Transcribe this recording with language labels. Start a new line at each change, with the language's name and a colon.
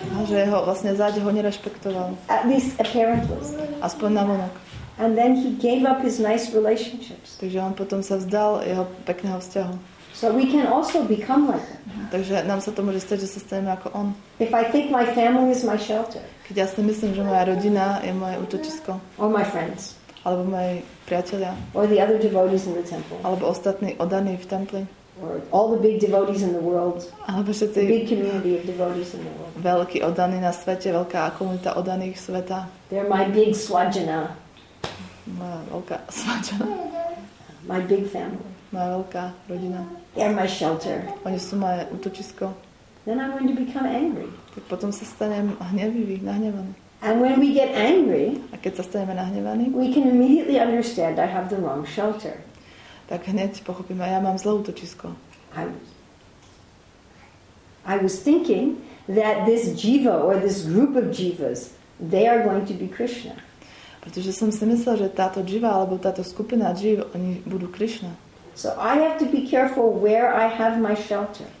Slovak: A že ho vlastne zať ho nerespektoval.
English: At least apparently.
Slovak: Aspoň na vonok.
English: And then he gave up his nice relationships.
Slovak: Takže on potom sa vzdal jeho pekného vzťahu.
English: So we can also become like him.
Slovak: Takže nám sa to môže stať, že sa staneme ako on.
English: If I think my family is my shelter.
Slovak: Keď ja si myslím, že moja rodina je moje útočisko.
English: Or my friends.
Slovak: alebo moji priatelia,
English: or the other devotees in the temple,
Slovak: alebo ostatní oddaní v templi,
English: or all the big devotees in the world,
Slovak: alebo všetci,
English: the big community of devotees in the world,
Slovak: veľkí oddaní na svete, veľká komunita oddaných sveta,
English: they're my big svajana,
Slovak: moja veľká svajana,
English: my big family,
Slovak: moja veľká rodina,
English: they're my shelter,
Slovak: oni sú moje útočisko.
English: Then I'm going to become angry.
Slovak: Tak potom sa stanem hnevivý, nahnevaný.
English: And when we get angry,
Slovak: a keď sa staneme nahnevaní,
English: we can immediately understand I have the wrong shelter.
Slovak: Tak hneď pochopíme, ja mám zlé útočisko.
English: I was thinking that this jiva or this group of jivas, they are going to be Krishna.
Slovak: Pretože som si myslel, že táto jiva alebo táto skupina jiv, oni budú Krishna.
English: So I have to be careful where I have my shelter.